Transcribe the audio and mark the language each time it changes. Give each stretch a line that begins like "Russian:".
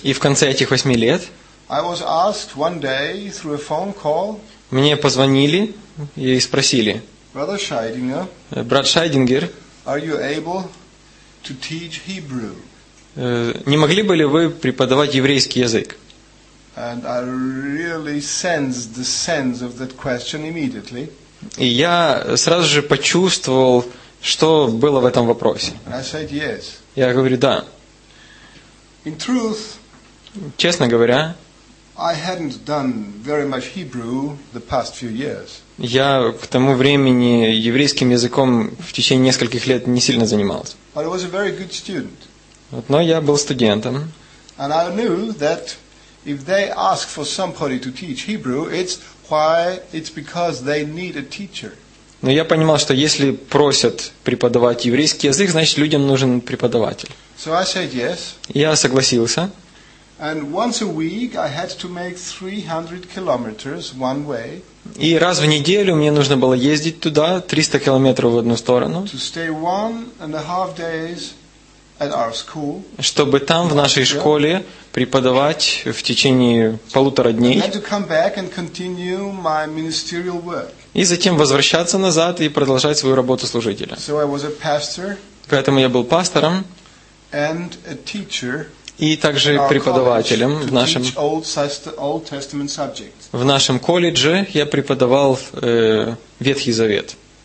Russian: И в конце этих 8 лет.
English: I was asked one day through a phone call.
Russian: Мне позвонили и спросили.
English: Brother Scheidinger.
Russian: Брат Шайдингер.
English: Are you able to teach Hebrew?
Russian: Не могли бы ли вы преподавать еврейский язык?
English: And I really sensed the sense of that question immediately.
Russian: И я сразу же почувствовал, что было в этом вопросе.
English: I said yes.
Russian: Я говорю, да.
English: In truth,
Russian: честно говоря,
English: I hadn't done very much Hebrew the past few years.
Russian: Я к тому времени еврейским языком в течение нескольких лет не сильно занимался.
English: But I was a very good student.
Russian: Но я был студентом.
English: And I knew that if they ask for somebody to teach Hebrew, it's why it's because they need a teacher.
Russian: Но я понимал, что если просят преподавать еврейский язык, значит людям нужен преподаватель.
English: So I said yes.
Russian: Я согласился.
English: And once a week I had to make 300 kilometers one way.
Russian: И раз в неделю мне нужно было ездить туда 300 километров в одну сторону.
English: To stay 1.5 days at our school.
Russian: Чтобы там в нашей школе преподавать в течение 1.5 дней.
English: I had to come back and continue my ministerial work.
Russian: И затем возвращаться назад и продолжать свою работу служителя.
English: So I was a pastor.
Russian: Поэтому я был пастором.
English: And a teacher.
Russian: И также преподавателем в нашем колледже я преподавал Ветхий Завет.